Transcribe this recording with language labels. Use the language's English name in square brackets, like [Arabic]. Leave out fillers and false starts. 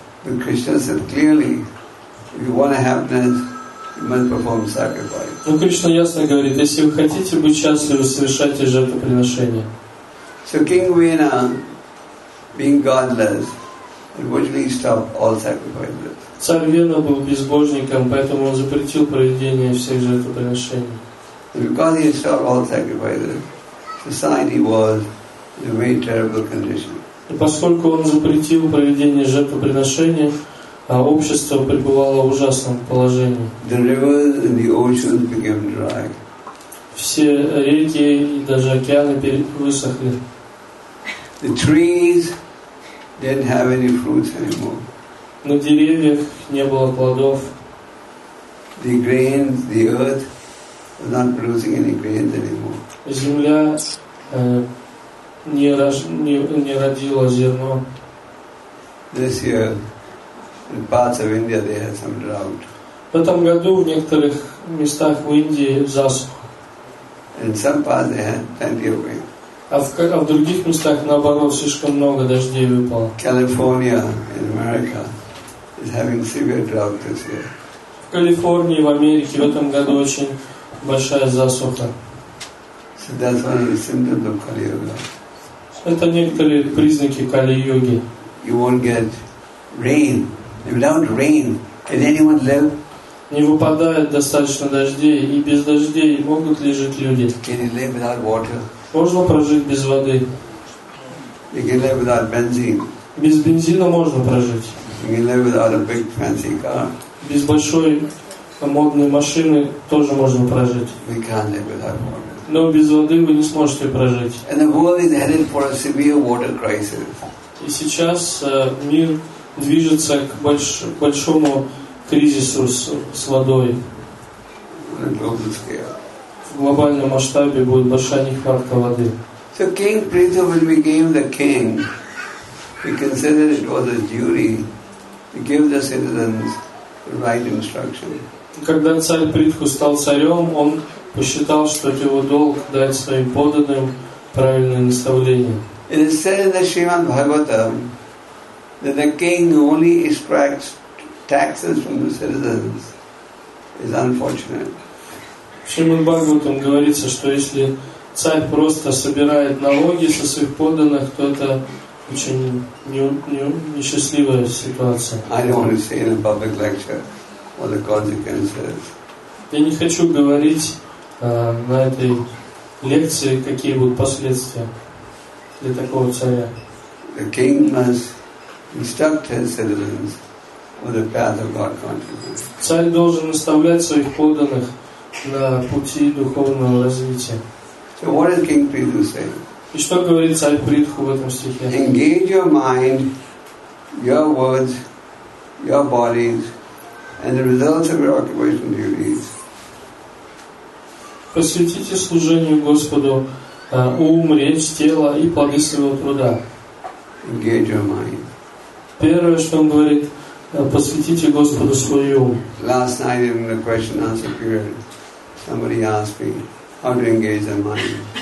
[English] But Krishna said clearly, if you want happiness, you must perform sacrifice. [Russian] Но Кришна ясно говорит, если вы хотите быть счастливы, совершайте жертвоприношение. [English] So King Vena, being godless, originally stopped all sacrifices. [Russian] Царь Вена был безбожником, поэтому он запретил проведение всех жертвоприношений. [English] And because he stopped all sacrifices, society was in a very terrible condition. [Russian] И поскольку он запретил проведение жертвоприношения, а общество пребывало в ужасном положении. [English] The rivers and the oceans became dry. [Russian] Все реки и даже океаны высохли. [English] The trees didn't have any fruits anymore. [Russian] На деревьях не было плодов. [English] The grains, the earth was not producing any grains anymore. [Russian] Земля не родила зерно. [English] This year, in parts of India, they had some drought. [Russian] В этом году в некоторых местах в Индии засуха. [English] In some parts, they had plenty of rain. [Russian] А в других местах, наоборот, слишком много дождей выпало. [English] California, in America, is having severe drought this year. [Russian] В Калифорнии, в Америке, в этом году очень большая засуха. [English] So that's one of the symptoms of Kali Yuga. [Russian] Это некоторые признаки Кали-йоги. [English] You won't get rain. Without rain, can anyone live? [Russian] Не выпадает достаточно дождей, и без дождей могут ли жить люди? [English] Can you live without water? [Russian] Можно прожить без воды. [English] You can live without benzene. [Russian] Без бензина можно прожить. [English] You can live without a big fancy car. [Russian] Без большой модной машины тоже можно прожить. [English] We can't live without water. [Russian] Но без воды вы не сможете прожить. [English] And the world is headed for a severe water crisis. [Russian] И сейчас мир движется к большому кризису с водой. В глобальном масштабе будет большая нехватка воды. [English] So King Pritha, when we gave the king, we considered it was a duty to give the citizens the right instruction. [Russian] Когда царь Притху стал царем, он посчитал, что это его долг дать своим подданным правильное наставление. [English] It is said in the Srimad Bhagavatam that the king only extracts taxes from the citizens. It's unfortunate. [Russian] В Шримад Бхагаватам говорится, что если царь просто собирает налоги со своих подданных, то это очень несчастливая ситуация. [English] I don't want to say in a public lecture what the consequences. [Russian] Я не хочу говорить на этой лекции, какие будут последствия для такого царя. [English] The king must instruct his citizens on the path of God consciousness. [Russian] Царь должен наставлять своих подданных на пути духовного развития. [English] So what does King Prithu say? [Russian] И что говорит царь Притху в этом стихе? [English] Engage your mind, your words, your bodies, and the results of your occupation duties. [Russian] Посвятите служению Господу ум, речь, тело и плоды своего труда. [English] Engage your mind. [Russian] Первое, что он говорит, посвятите Господу свой ум. [English] Last night in the question and answer period, somebody asked me how to engage their mind.